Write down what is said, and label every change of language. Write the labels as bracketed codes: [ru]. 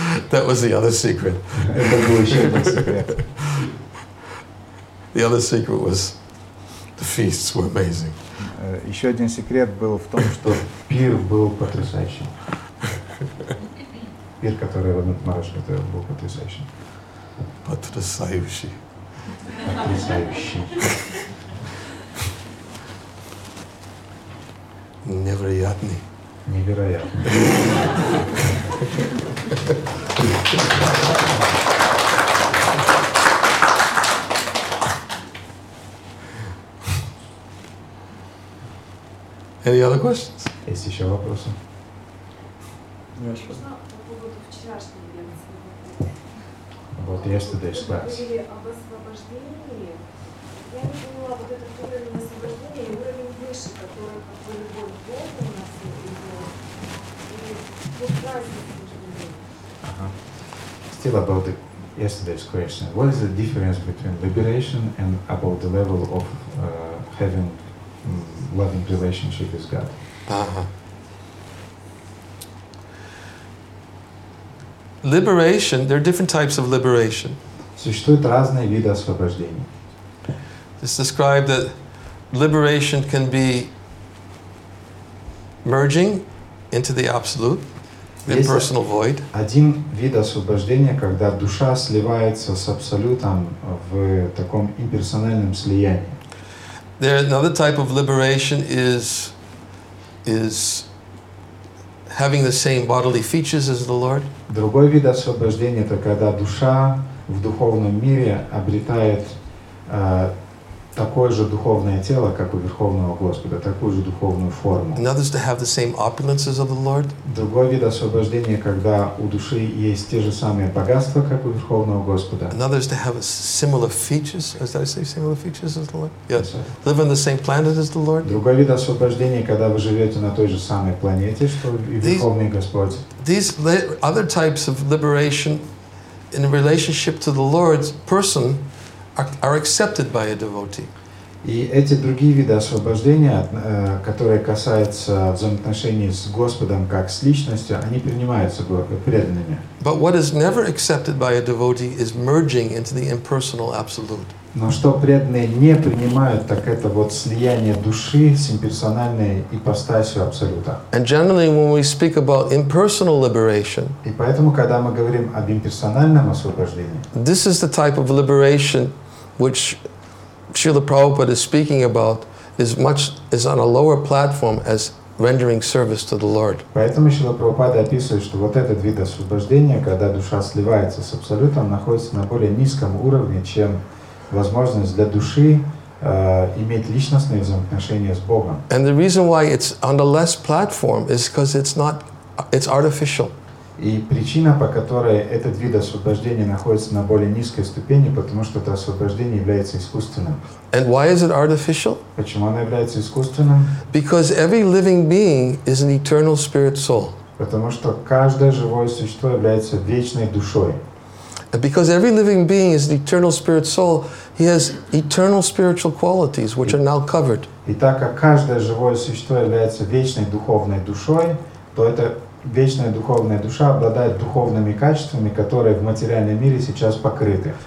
[en] That was the other secret. [ru] Это был еще один секрет. [en] The other secret was the feasts were amazing. [ru] Еще один секрет был в том, что пир был потрясающим. Пир, который Раднат Мараш готовил, был потрясающим. Потрясающий. Потрясающий. Невероятный. Невероятный. [en] Any other questions? [ru] Есть еще вопросы? Можно по поводу вчерашней лекции? [en] Вот yesterday's class. [ru] Вы говорили об освобождении. Я не поняла, вот этот уровень освобождения и уровень выше, который как бы любовь к Богу у нас идет. И вот разница между ними. [en] Still about the yesterday's question. What is the difference between liberation and about the level of having loving relationship with God? Liberation, there are different types of liberation. [ru] Существуют разные виды освобождения. [en] It's described that liberation can be merging into the absolute, the impersonal void. [ru] Один вид освобождения, когда душа сливается с абсолютом в таком имперсональном слиянии. [en] There another type of liberation is having the same bodily features as the Lord. [ru] Другой вид освобождения — это когда душа в духовном мире обретает такое же духовное тело, как у Верховного Господа, такую же духовную форму. [en] Another is to have the same opulences of the Lord. [ru] Другой вид освобождения, когда у души есть те же самые богатства, как у Верховного Господа. [en] Another is to have similar features. Is that I say similar features as the Lord? Yes. Yes. Live on the same planet as the Lord. [ru] Другой вид освобождения, когда вы живете на той же самой планете, что и Верховный Господь. [en] These other types of liberation in relationship to the Lord's person are accepted by a devotee. [ru] И эти другие виды освобождения, которые касаются взаимоотношений с Господом как с личностью, они принимаются преданными. [en] But what is never accepted by a devotee is merging into the impersonal absolute. [ru] Но что преданные не принимают, так это вот слияние души с имперсональной ипостасью абсолюта. [en] And generally, when we speak about impersonal liberation, [ru] и поэтому, когда мы говорим об имперсональном освобождении, [en] this is the type of liberation which Srila Prabhupada is speaking about is on a lower platform as rendering service to the Lord. [ru] Поэтому Шрила Прабхупада описывает, что вот этот вид освобождения, когда душа сливается с абсолютом, находится на более низком уровне, чем возможность для души иметь личностные взаимоотношения с Богом. [en] And the reason why it's on the less platform is because it's artificial. [ru] И причина, по которой этот вид освобождения находится на более низкой ступени, потому что это освобождение является искусственным. [en] And why is it artificial? [ru] Почему оно является искусственным? [en] Because every living being is an eternal spirit soul. [ru] Потому что каждое живое существо является вечной душой. [en] And because every living being is an eternal spirit soul, he has eternal spiritual qualities, which are now covered. [ru] И так как каждое живое существо является вечной духовной душой, то это вечная духовная душа обладает духовными качествами, которые в материальном мире сейчас покрыты.